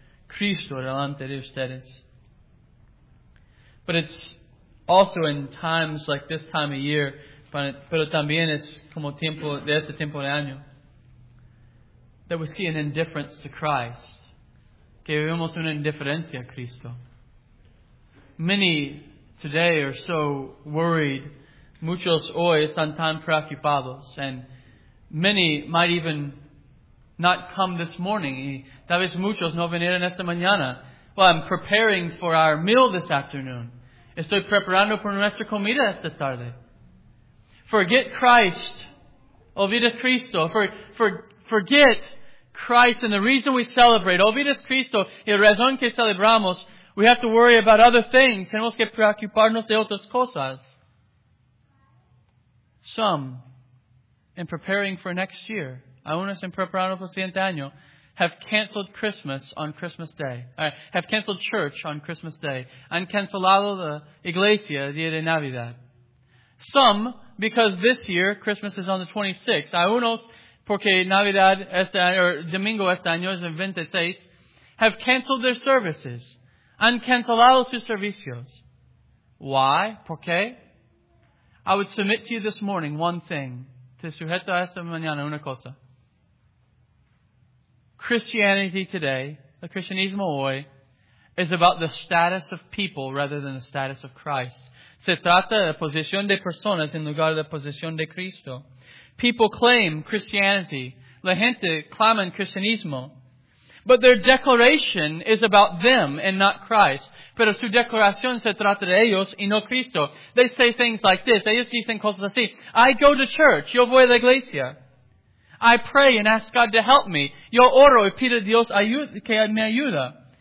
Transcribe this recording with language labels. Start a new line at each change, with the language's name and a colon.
Spanish: Cristo delante de ustedes.
English: But it's also in times like this time of year,
Spanish: pero también es como tiempo de este tiempo de año,
English: that we see an indifference to Christ.
Spanish: Que vemos una indiferencia a Cristo.
English: Many today are so worried.
Spanish: Muchos hoy están tan preocupados.
English: And many might even not come this morning.
Spanish: Y tal vez muchos no vinieron esta mañana.
English: Well, I'm preparing for our meal this afternoon.
Spanish: Estoy preparando por nuestra comida esta tarde.
English: Forget Christ.
Spanish: Olvida Cristo.
English: Forget Christ. And the reason we celebrate,
Spanish: olvida Cristo, y la razón que celebramos,
English: we have to worry about other things.
Spanish: Tenemos que preocuparnos de otras cosas.
English: Some, in preparing for next year,
Spanish: algunos en preparando para el siguiente año,
English: have canceled Christmas on Christmas Day. Have canceled church on Christmas Day.
Spanish: Han cancelado la iglesia el día de Navidad.
English: Some, because this year, Christmas is on the 26th.
Spanish: Algunos, porque Navidad este año, or Domingo este año es el 26,
English: have canceled their services.
Spanish: Han cancelado sus servicios.
English: Why?
Spanish: ¿Por qué?
English: I would submit to you this morning one thing.
Spanish: Te sujeto a esta mañana una cosa.
English: Christianity today, the
Spanish: Christianismo hoy,
English: is about the status of people rather than the status of Christ.
Spanish: Se trata de la posición de personas en lugar de la posición de Cristo.
English: People claim Christianity.
Spanish: La gente clama en Cristianismo.
English: But their declaration is about them and not Christ.
Spanish: Pero su declaración se trata de ellos y no Cristo.
English: They say things like this.
Spanish: Ellos dicen cosas así.
English: I go to church.
Spanish: Yo voy a la iglesia.
English: I pray and ask God to help me.
Spanish: Yo oro y pido a Dios que me ayuda.